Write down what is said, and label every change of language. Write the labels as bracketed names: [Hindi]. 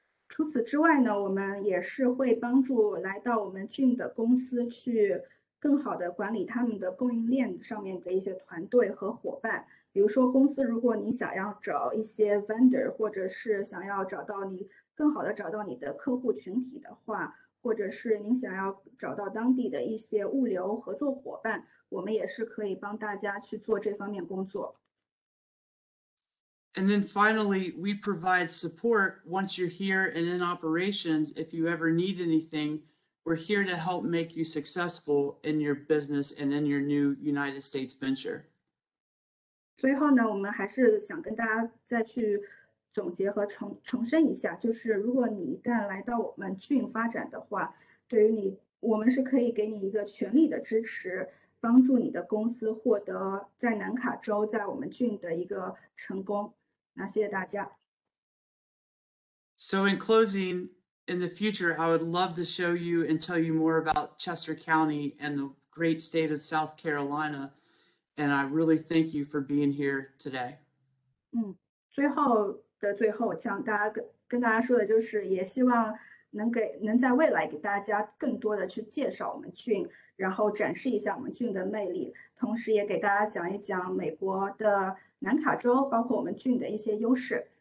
[Chinese] 除此之外呢，我们也是会帮助来到我们郡的公司去更好的管理他们的供应链上面的一些团队和伙伴。比如说公司如果你想要找一些 vendor， 或者是想要找到你更好的找到你的客户群体的话，或者是你想要找到当地的一些物流合作伙伴，我们也是可以帮大家去做这方面工作。 [English] And then finally, we provide support once you're here and in operations. If you ever need anything, we're here to help make you successful in your business and in your new United States venture. [Chinese] 最后呢，我们还是想跟大家再去总结和重申一下，就是如果你一旦来到我们郡发展的话，对于你，我们是可以给你一个全力的支持，帮助你的公司获得在南卡州在我们郡的一个成功。那谢谢大家。 [English] So in closing, in the future, I would love to show you and tell you more about Chester County and the great state of South Carolina. And I really thank you for being here today. [Chinese] 最后的最后，像大家跟大家说的就是也希望能在未来给大家更多的去介绍我们郡，然后展示一下我们郡的魅力，同时也给大家讲一讲美国的南卡州，包括我们郡的一些优势。